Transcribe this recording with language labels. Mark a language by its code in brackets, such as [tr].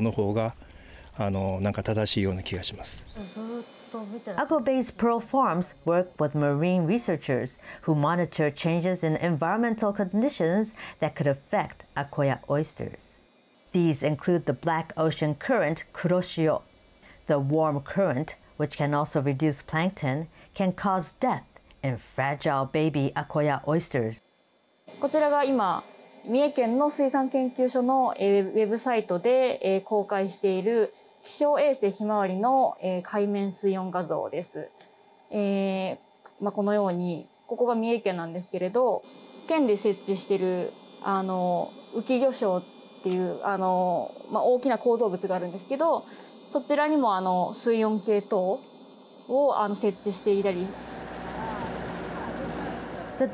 [ja] あの時は回復するのに15年ぐらいかかりましたけども、今5年ぐらいで、あの、どういうんですかね、光明というか、御花がついてきました。できるだけ、どういうんですかね、あの、アコヤ貝を健やかに、あの、優しく育てるっていう方向の方が、あの、なんか正しいような気がします。 [en] Agobe's pearl farms work with marine researchers who monitor changes in environmental conditions that could affect Akoya oysters. These include the black ocean current, Kuroshio. The warm current, which can also reduce plankton, can cause death in fragile baby Akoya oysters. [ja] こちらが今、三重県の水産研究所のウェブサイトで公開している 気象衛星ひまわりの海面水温画像です。このように、ここが三重県なんですけれど、県で設置している浮き魚礁っていう大きな構造物があるんですけど、そちらにも水温計等を設置していたり。 [en] The